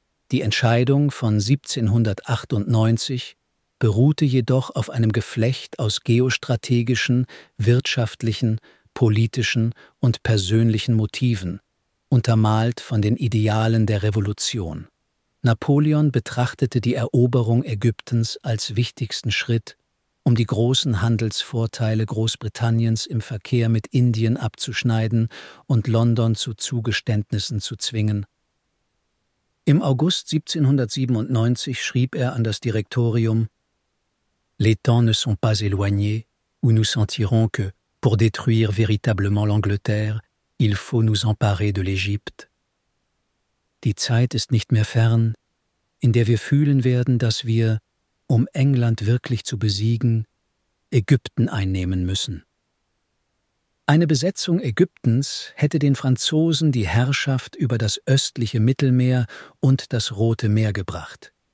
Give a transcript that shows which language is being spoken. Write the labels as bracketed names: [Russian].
[German] Die Entscheidung von 1798 beruhte jedoch auf einem Geflecht aus geostrategischen, wirtschaftlichen, politischen und persönlichen Motiven, untermalt von den Idealen der Revolution. Napoleon betrachtete die Eroberung Ägyptens als wichtigsten Schritt, um die großen Handelsvorteile Großbritanniens im Verkehr mit Indien abzuschneiden und London zu Zugeständnissen zu zwingen. Im August 1797 schrieb er an das Direktorium: [French] Les temps ne sont pas éloignés, où nous sentirons que, pour détruire véritablement l'Angleterre, il faut nous emparer de l'Égypte. [German] Die Zeit ist nicht mehr fern, in der wir fühlen werden, dass wir, um England wirklich zu besiegen, Ägypten einnehmen müssen. Eine Besetzung Ägyptens hätte den Franzosen die Herrschaft über das östliche Mittelmeer und das Rote Meer gebracht.